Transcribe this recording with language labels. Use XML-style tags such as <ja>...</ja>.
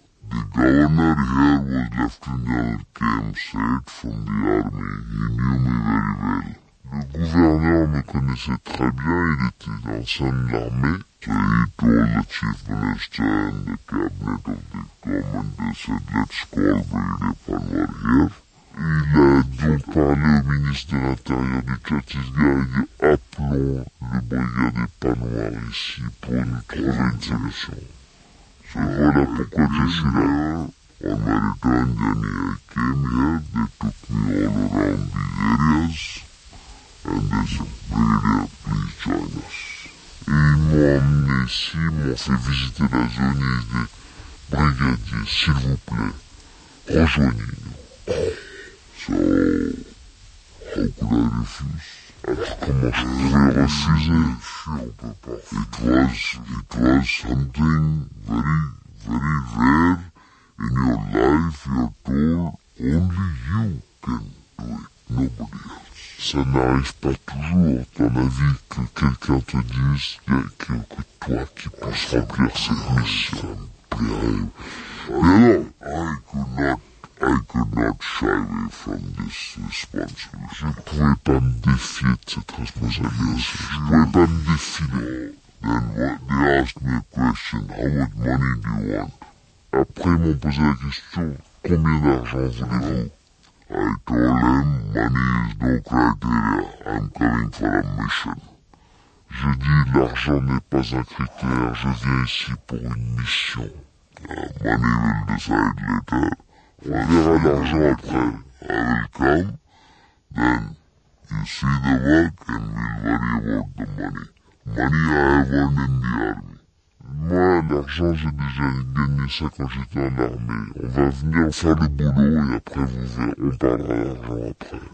<en>The governor here was Lieutenant Kim Seth from the army. He knew me very well.</en> <fr>Le gouverneur me connaissait très bien, il était l'ancien de l'armée.</fr> <en>So he told the chief minister and the cabinet of the government, they said, let's call Brigadier Panwar here.</en> <fr>Il a donc parlé au ministre de l'Intérieur du Chhattisgarh, il dit « Appelons le brigadier Panwar ici pour nous trouver une solution. » Voilà pourquoi je suis là. Et ils m'ont emmené ici, ils m'ont fait visiter la zone et ils disent, « Brigadier, s'il vous plaît, rejoignez-nous. »</fr> <en>So, how could I refuse? It was something very, very rare in your life. You're told only you can do it, nobody else.</en> <fr>Ça n'arrive pas toujours dans la vie que quelqu'un te dise qu'il n'y a que toi qui puisses remplir cette mission. Ça me plairait. Mais non,</fr> <en>not shy away from this responsibility.</en> <fr>Je ne pouvais pas me défier de cette responsabilité. Je ne pouvais pas me défier.</fr> <en>Then what, they asked me a question, how much money do you want?</en> <fr>Après, ils m'ont posé la question, combien d'argent voulez-vous?</fr> <en>I told them, money is no criteria, I'm coming for a mission.</en> <fr>Je dis, l'argent n'est pas un critère, je viens ici pour une mission.</fr> <en>Money will decide later.</en> <fr>On verra l'argent après.</fr> <en>I will come, then you see the work and we'll worry about the money. Money I have won in the army.</en> <fr>Moi, l'argent, j'ai déjà gagné ça quand j'étais en armée. On va venir faire le boulot et après vous verrez, on parlera d'argent après.</fr>